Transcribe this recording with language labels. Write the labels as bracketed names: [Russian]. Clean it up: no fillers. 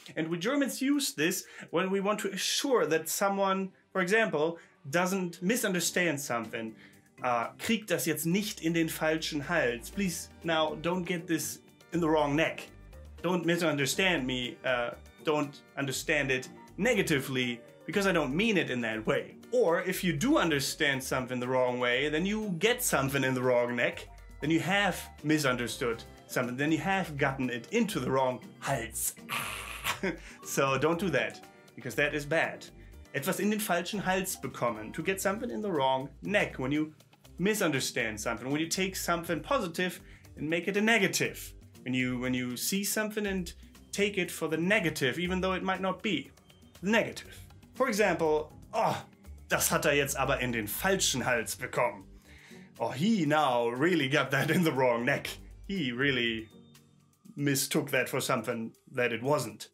[English] And we Germans use this when we want to assure that someone, for example, doesn't misunderstand something. [German] Kriegt das jetzt nicht in den falschen Hals. [English] Please, now, don't get this in the wrong neck. Don't misunderstand me. Don't understand it negatively. Because I don't mean it in that way. Or if you do understand something the wrong way, then you get something in the wrong neck. Then you have misunderstood something. Then you have gotten it into the wrong Hals. So don't do that, because that is bad. [German] Etwas in den falschen Hals bekommen. [English] To get something in the wrong neck. When you misunderstand something. When you take something positive and make it a negative. When you see something and take it for the negative, even though it might not be negative. For example, [German] oh, das hat jetzt aber in den falschen Hals bekommen. [English] Oh, he now really got that in the wrong neck. He really mistook that for something that it wasn't.